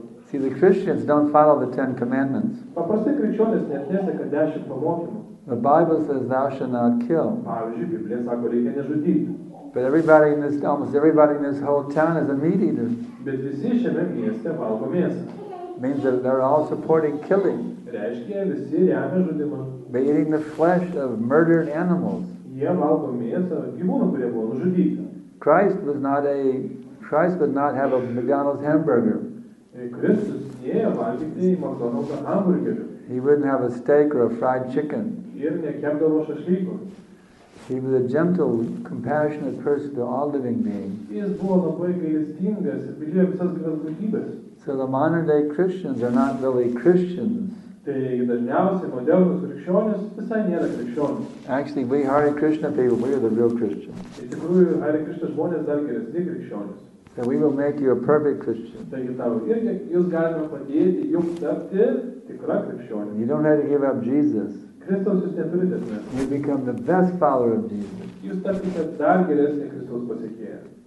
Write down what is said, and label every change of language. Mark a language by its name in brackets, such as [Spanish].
[English] See, the Christians don't follow the Ten Commandments. [Lithuanian] Paprastai krikščionys neatneseka dešimt pamokymų. [English] The Bible says thou shalt not kill. [Lithuanian] Pavyzdžiui, Biblija sako, reikia nežudyti. [English] But everybody in this, almost everybody in this whole town is a meat eater. [Lithuanian] Bet visi šiame mieste valgo mėsą. [English] Means that they're all supporting killing. [Lithuanian] Reiškia, visi remia žudimą. [English] By eating the flesh of murdered animals. [Lithuanian] Jie valgo mėsą gyvūnų, kurie buvo nužudyti. [English] Christ would not have a McDonald's hamburger. [Lithuanian] Kristus nėjo valgyti į McDonald's hamburgerį. [English] He wouldn't have a steak or a fried chicken. [Lithuanian] Ir nekepdavo šašlyko. [English] He was a gentle, compassionate person to all living beings. [Lithuanian] Jis buvo labai gailestingas ir mylėjo visas gyvas būtybes. [English] So the modern-day Christians are not really Christians. [Lithuanian] Tai dažniausiai modernūs krikščionys visai nėra krikščionys. [English] Actually, we Hare Krishna people, we are the real Christians. [Lithuanian] Iš tikrųjų, Hare Krishna žmonės dar geresni krikščionys. [English] So we will make you a perfect Christian. [Lithuanian] Taigi tau irgi jūs galima padėti jums tapti tikra krikščionė. [English] You don't have to give up Jesus. [Lithuanian] Kristaus jūs neturite atmesti. [English] You become the best follower of Jesus. [Lithuanian] Jūs tapsite dar geresnį Kristaus pasekėją.